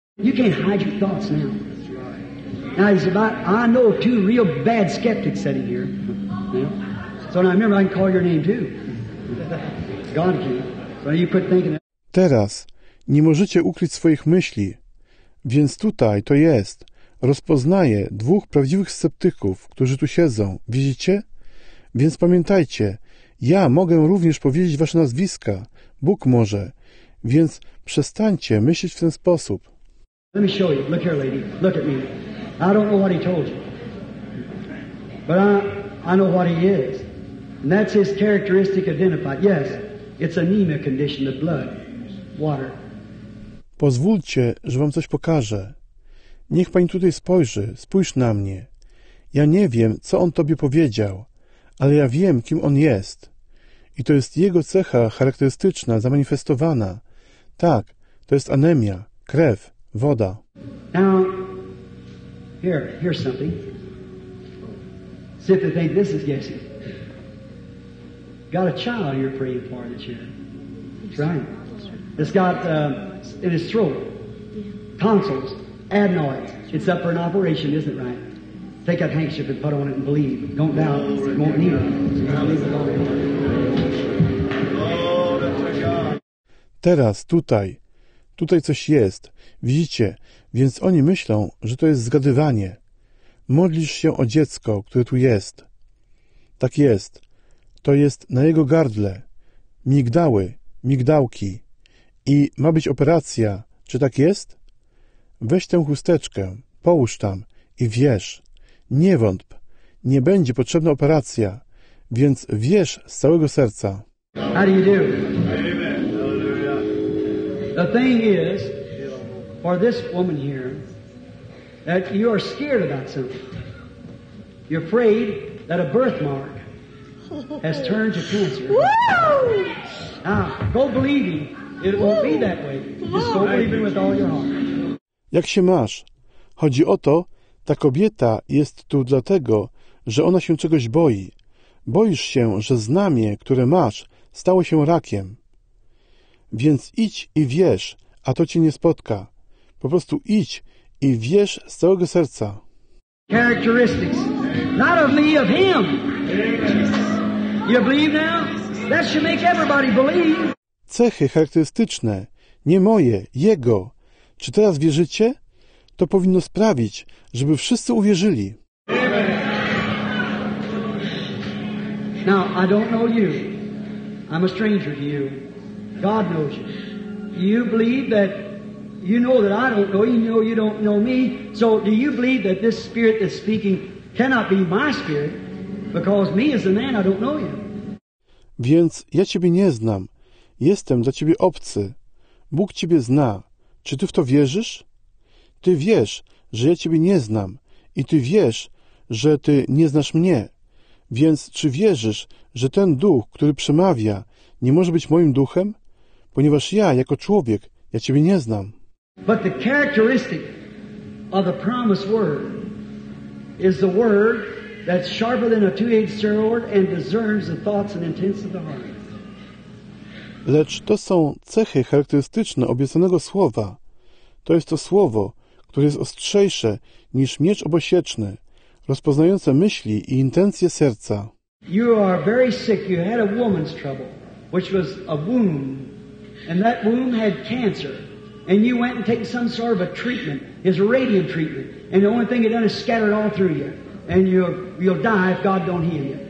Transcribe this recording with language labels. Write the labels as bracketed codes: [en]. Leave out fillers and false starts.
[en] You can't hide your thoughts now. Now it's about, I know two real bad skeptics sitting here. So now remember, I can call your name too. God can. So you quit thinking it. [pl] Teraz. Nie możecie ukryć swoich myśli. Więc tutaj to jest. Rozpoznaję dwóch prawdziwych sceptyków, którzy tu siedzą. Widzicie? Więc pamiętajcie, ja mogę również powiedzieć wasze nazwiska. Bóg może. Więc przestańcie myśleć w ten sposób. [en] Let me show you. Look here, lady. Look at me. I don't know what he told you. But I know what he is. And that's his characteristic identified. Yes, it's anemia condition of blood. Water. [pl] Pozwólcie, że wam coś pokażę. Niech pani tutaj spojrzy, spójrz na mnie. Ja nie wiem, co on tobie powiedział, ale ja wiem, kim on jest. I to jest jego cecha charakterystyczna, zamanifestowana. Tak, to jest anemia, krew, woda. [en] Now, here's something. Sit and think this is guessing. Got a child you're praying for in the chair. That's right. It's got in his throat, tonsils, adenoids. It's up for an operation, isn't it, right? Take that handkerchief and put on it and believe. Don't doubt. You won't need it. [pl] Teraz, tutaj. Tutaj coś jest. Widzicie? Więc oni myślą, że to jest zgadywanie. Modlisz się o dziecko, które tu jest. Tak jest. To jest na jego gardle. Migdały, migdałki. I ma być operacja. Czy tak jest? Weź tę chusteczkę, połóż tam i wierz. Nie wątp. Nie będzie potrzebna operacja. Więc wierz z całego serca. [en] How do you do? Amen. Hallelujah. The thing is, for this woman here, that you are scared about something. You're afraid that a birthmark has turned to cancer. Woo! Now, go believe me. It won't be that way. Just go believe it with all your heart. [pl] Jak się masz? Chodzi o to, ta kobieta jest tu dlatego, że ona się czegoś boi. Boisz się, że znamie, które masz, stało się rakiem. Więc idź i wierz, a to cię nie spotka. Po prostu idź i wierz z całego serca. [en] Characteristics. Not of me, of him. You believe now? That should make everybody believe. [pl] Cechy charakterystyczne, nie moje, jego. Czy teraz wierzycie? To powinno sprawić, żeby wszyscy uwierzyli. [en] Now, I don't know you. I'm a stranger to you. God knows you. You believe that you know that I don't know you, you know you don't know me. So do you believe that this spirit that's speaking cannot be my spirit? Because me as a man, I don't know you. [pl] Więc ja ciebie nie znam. Jestem dla ciebie obcy. Bóg ciebie zna. Czy ty w to wierzysz? Ty wiesz, że ja ciebie nie znam. I ty wiesz, że ty nie znasz mnie. Więc czy wierzysz, że ten duch, który przemawia, nie może być moim duchem? Ponieważ ja, jako człowiek, ja Ciebie nie znam. [en] But the characteristic of the promised word is the word that's sharper than a two-edged sword and discerns the thoughts and intents of the heart. [pl] Lecz to są cechy charakterystyczne obiecanego słowa. To jest to słowo, które jest ostrzejsze niż miecz obosieczny, rozpoznające myśli i intencje serca. [en] You are very sick. You had a woman's trouble, which was a womb, and that womb had cancer. And you went and take some sort of a treatment, it's a radiant treatment, and the only thing it done is scatter it all through you, and you'll die if God don't heal you.